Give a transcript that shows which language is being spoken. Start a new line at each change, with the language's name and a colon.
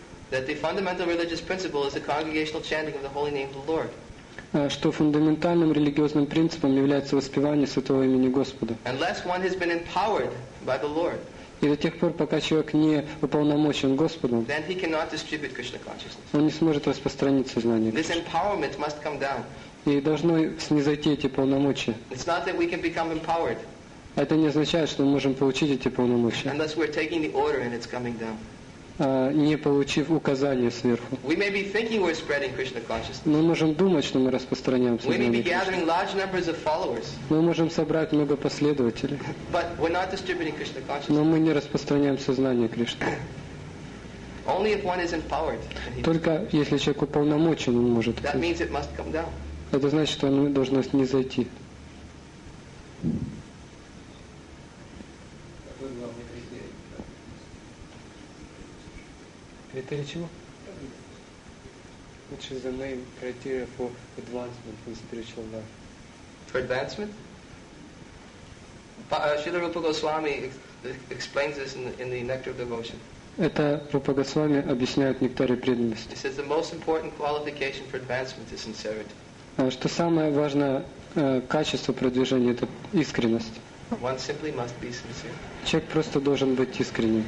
English: That the fundamental religious principle is the congregational chanting of the holy name of the Lord.
Russian: Что фундаментальным религиозным принципом является воспевание святого имени Господа.
English: Unless one has been empowered by the Lord.
Russian: И до тех пор, пока человек не уполномочен Господом,
English: then he cannot distribute Krishna consciousness.
Russian: Он не сможет распространить сознание.
English: This empowerment must come down.
Russian: И должны снизойти эти полномочия.
English: It's not that we can become empowered.
Russian: Это не означает, что мы можем получить эти полномочия.
English: Unless we're taking the order and it's coming down.
Russian: Не получив указания сверху.
English: We may be thinking we're spreading Krishna consciousness.
Russian: Мы можем думать, что мы распространяем сознание
English: Кришны. We may be gathering large numbers of followers.
Russian: Мы можем собрать много последователей.
English: But we're not distributing Krishna consciousness.
Russian: Но мы не распространяем сознание Кришны.
English: Only if one is empowered.
Russian: Только если человек уполномочен, он может.
English: That means it must come down.
Russian: Это значит, что оно должно снизойти. Какой главный критерий? Критерий чего?
English: Which is the main criteria for advancement in spiritual life? For advancement? Srila Rupa Goswami explains this in the Nectar of Devotion.
Russian: Это Рупа Госвами объясняет нектаре преданности.
English: He says the most important qualification for advancement is sincerity.
Russian: Что самое важное качество продвижения — это искренность.
English: One simply must be sincere.
Russian: Человек просто должен быть искренним.